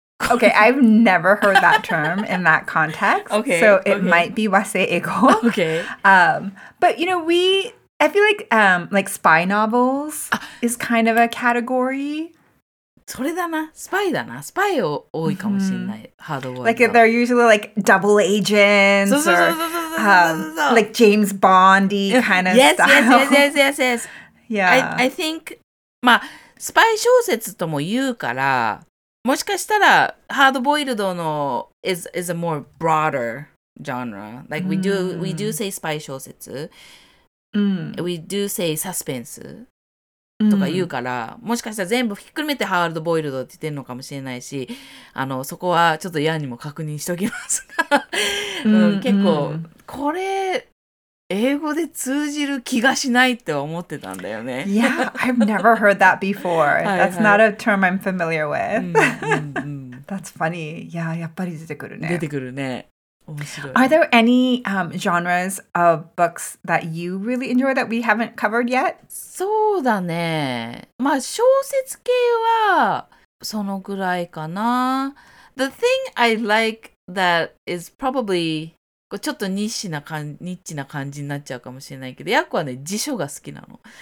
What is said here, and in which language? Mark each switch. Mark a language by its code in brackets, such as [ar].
[en] Okay, I've never heard that term in that context. Okay, so it might be 和製英語. Okay. But you know, I feel like spy novels is kind of a category. [ja] それだな、スパイだな、スパイ多いかもしれない。ハードボイル。 [en] Like they're usually like double agents. [ja] そうそうそうそうそうそうそう。 [en] Like James Bondy kind of style. Yes. Yeah. I think, [ja] まあ、スパイ小説とも言うから。もしかしたら、 [en] ハードボイルドの is a more broader genre. Like, we do say spy 小説。うん。 We do say suspense. [ja] とか言うから、もしかしたら全部ひっくるめてハードボイルドって言ってるのかもしれないし、あの、そこはちょっとヤンにも確認しておきますが。うん、結構、これ、英語で通じる気がしないって思ってたんだよね。 [en] Yeah, I've never heard that before. That's not a term I'm familiar with. That's funny. [ja] いや、やっぱり出てくるね。出てくるね。面白い。 [en] Are there any genres of books that you really enjoy that we haven't covered yet? [ja] そうだね。まあ、小説系はそのぐらいかな。 [en] The thing I like that is probably... [ja] ちょっとニッチな感じになっちゃうかもしれないけど、ヤコはね、辞書が好きなの。